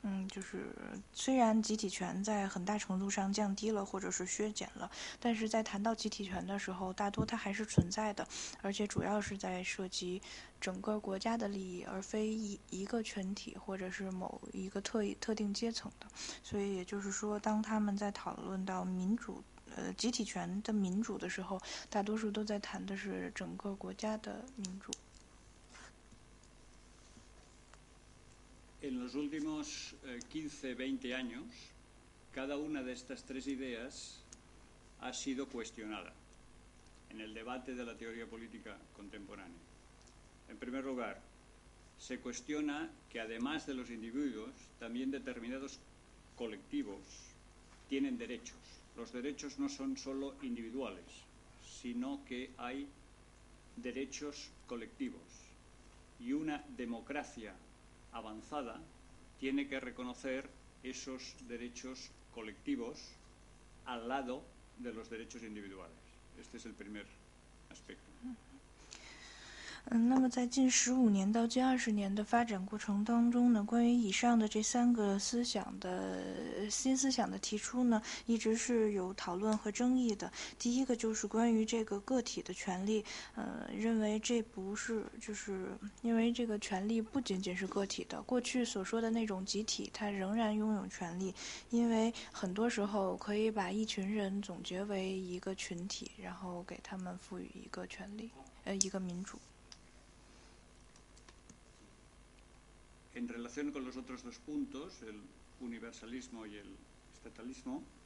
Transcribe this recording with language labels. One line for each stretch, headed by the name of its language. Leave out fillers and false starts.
Chinese: 就是虽然集体权在很大程度上降低了或者是削减了，但是在谈到集体权的时候，大多它还是存在的，而且主要是在涉及整个国家的利益，而非一个群体或者是某一个特定阶层的。所以也就是说，当他们在讨论到民主集体权的民主的时候，大多数都在谈的是整个国家的民主。
Spanish: En los últimos 15-20 años, cada una de estas tres ideas ha sido cuestionada en el debate de la teoría política contemporánea. En primer lugar, se cuestiona que además de los individuos, también determinados colectivos tienen derechos. Los derechos no son solo individuales, sino que hay derechos colectivos y una democracia avanzada tiene que reconocer esos derechos colectivos al lado de los derechos individuales. Este es el primer aspecto.
Chinese: 那么在近15年到近20年的发展过程当中呢，关于以上的这三个思想的新思想的提出呢，一直是有讨论和争议的。第一个就是关于这个个体的权利，认为这不是，就是因为这个权利不仅仅是个体的，过去所说的那种集体它仍然拥有权利，因为很多时候可以把一群人总结为一个群体，然后给他们赋予一个权利，一个民主。
Spanish: En relación con los otros dos puntos, el universalismo y el estatalismo,